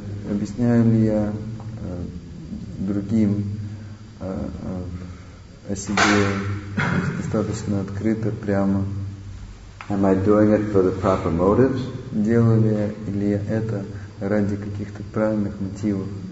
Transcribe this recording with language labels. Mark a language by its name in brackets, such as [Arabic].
[Russian] Объясняю ли я другим о себе достаточно открыто, прямо? [English] Am I doing it for the proper motives? [Russian] Делаю ли я это ради каких-то правильных мотивов?